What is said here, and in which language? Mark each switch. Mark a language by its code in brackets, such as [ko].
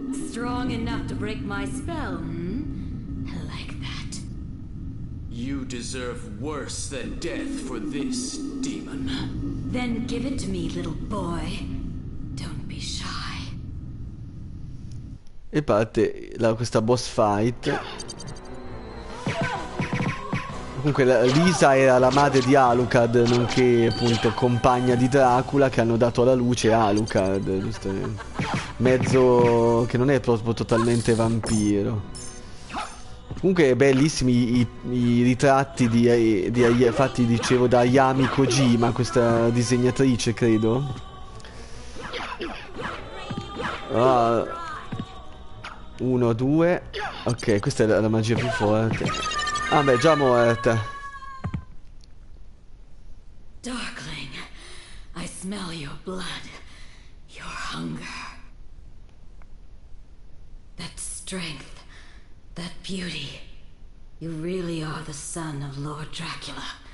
[en] Strong enough to break my spell, I like that. You deserve worse than death for this, demon. Then give it to me, little boy. Don't be shy. [it] E parte questa boss fight. Comunque Lisa era la madre di Alucard, nonché appunto compagna di Dracula, che hanno dato alla luce Alucard, giustamente. Mezzo che non è proprio totalmente vampiro. Comunque bellissimi i ritratti fatti, dicevo, da Ayami Kojima, questa disegnatrice, credo. Uno, due. Ok, questa è la magia più forte. Ah beh, già morta. [en] Darkling, I smell your blood, your hunger. That strength, that beauty. You really are the son of Lord Dracula.